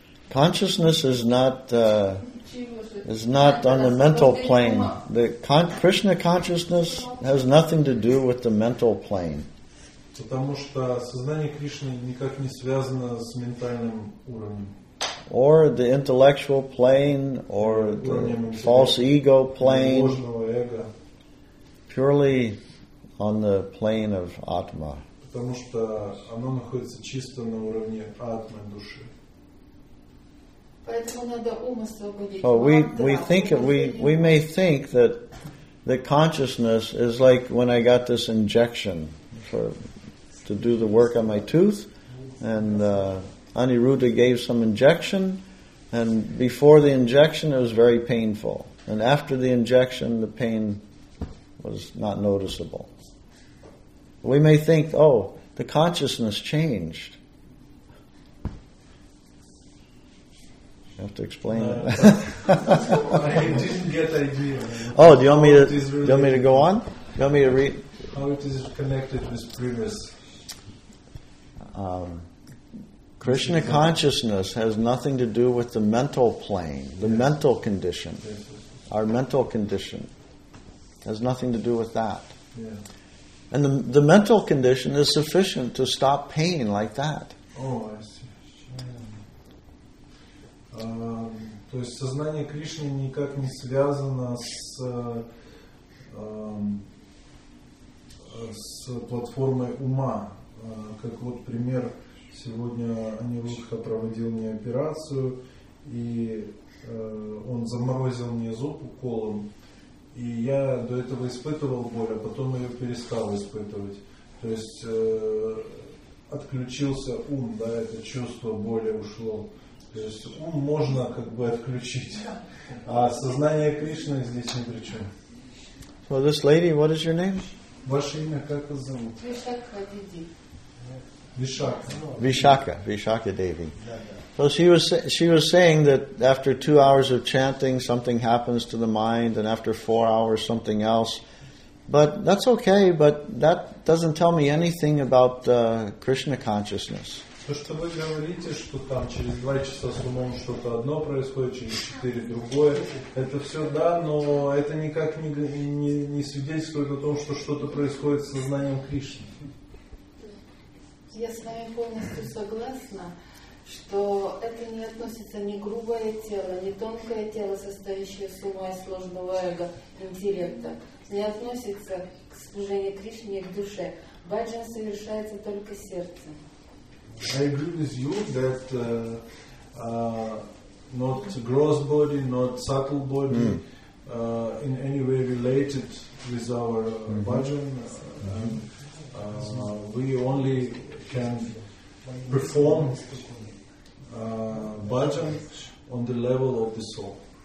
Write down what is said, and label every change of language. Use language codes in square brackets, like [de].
[en] Consciousness is not on the mental plane. The Krishna consciousness has nothing to do with the mental plane. [ru] Потому что сознание Кришны никак не связано с ментальным уровнем. [en] Or the intellectual plane, or the false ego plane. Purely on the plane of Atma. [ru] Потому что оно находится чисто на уровне Атмы, души. Поэтому надо ум освободить. [en] Oh, we may think that the consciousness is like when I got this injection to do the work on my tooth, and Aniruddha gave some injection, and before the injection it was very painful, and after the injection the pain was not noticeable. We may think, oh, the consciousness changed. Have to explain it. I didn't get the idea. Oh, do you want me to? Do you want me to go on? Do you want me to read? How it is connected with previous? Krishna consciousness has nothing to do with the mental plane, the yes. mental condition. Yes, yes. Our mental condition has nothing to do with that. Yeah. And the mental condition is sufficient to stop pain like that. Oh, I see. [ru] То есть сознание Кришны никак не связано с платформой ума. Как вот пример, сегодня Анирудха проводил мне операцию, и он заморозил мне зуб уколом, и я до этого испытывал боль, а потом ее перестал испытывать. То есть отключился ум, да, это чувство боли ушло. То есть ум можно как бы отключить, а сознание Кришны здесь ни при чем. [en] So this lady, what is your name? [ru] Ваше имя, как вас зовут? Тришакха Диди. [en] Vishakha Devi. So she was saying that after 2 hours of chanting, something happens to the mind, and after 4 hours, something else. But that's okay, but that doesn't tell me anything about Krishna consciousness. [ru] То, что вы говорите, что там через 2 часа с умом что-то одно происходит, через 4 другое, это все да, но это никак не свидетельствует о том, что что-то происходит с сознанием Кришны. Я с вами полностью согласна, что это не относится ни грубое тело, ни тонкое тело, состоящее с ума и сложного эго, интеллекта, не относится к служению Кришне и к душе. Баджан совершается только сердцем. [en] I agree with you that not gross body, not subtle body, in any way related with our bhajan. We only can perform bhajan on the level of the soul.